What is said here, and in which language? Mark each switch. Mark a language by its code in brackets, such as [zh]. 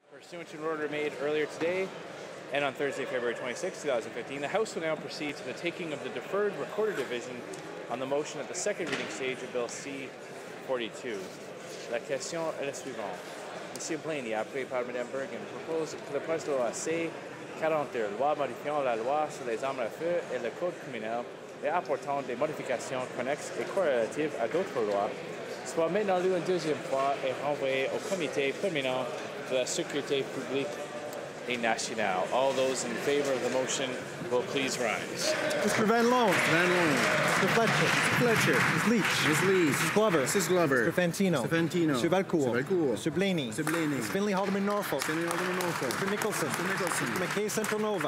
[en] Pursuant to an order made earlier today and on Thursday, February 26, 2015, the House will now proceed to the taking of the deferred recorded division on the motion at the second reading stage of Bill C-42. [fr] La question est la suivante. Monsieur Blaney, appuyé par Madame Bergen, propose que le projet de loi C-42, loi modifiant la loi sur les armes à feu et le code criminel, et apportant des modifications connexes et correlatives à d'autres lois, soit maintenant lu une deuxième fois et renvoyé au comité permanent de la sécurité publique et nationale. [en] All those in favor of the motion will please rise. Mr. Van Loan. Van Loan. Mr. Fletcher. Mr. Fletcher. Ms. Leach. Ms. Leach. Ms. Glover. Mrs. Glover. Mr. Fantino. Mr. Fantino. Mr. Valcourt. Mr. Valcourt. Mr. Blaney. Mr. Blaney. Mr. Finley Haldeman Norfolk. Finley Haldeman Norfolk. Mr. Nicholson. Mr. Nicholson. Mr. McKay Central Nova.